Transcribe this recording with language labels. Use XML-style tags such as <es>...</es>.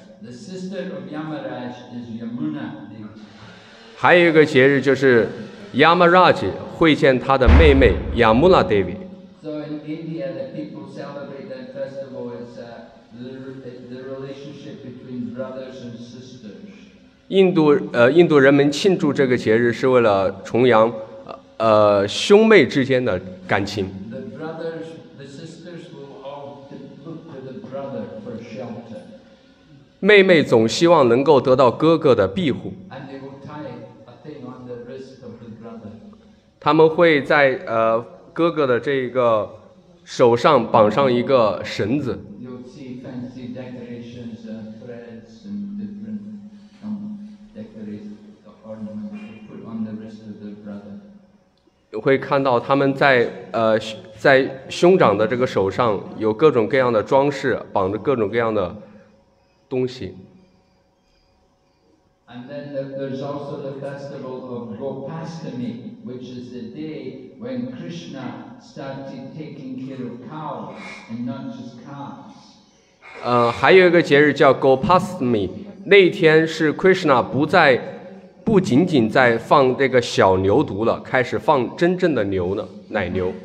<en>The sister of Yamaraj is Yamuna.</en> <zh>还有一个节日就是 Yamaraj 会见他的妹妹 Yamuna Devi.</zh> <en>So in India, the people celebrate that festival as the relationship between brothers and sisters.</en> <zh>印度人们庆祝这个节日是为了重阳。兄妹之间的感情。</zh> <en>The brothers, the sisters will all look to the brother for shelter.</en> <zh>妹妹总希望能够得到哥哥的庇护。</zh> <en>And they will tie a thing on the wrist of the brother.</en> <zh>他们会在哥哥的这个手上绑上一个绳子。</zh> <en>You'll see fancy decorations and threads and different decorated ornaments put on the wrist of the brother.</en> <zh>会看到他们在兄长的这个手上有各种各样的装饰，绑着各种各样的东西。</zh> <en>And then there's also the festival of Gopashtami, which is the day when Krishna started taking care of cows and not just calves.</en> <zh>还有一个节日叫 Gopashtami， 那天是 Krishna 不仅仅在放这个小牛犊了，开始放真正的牛呢，奶牛。</zh>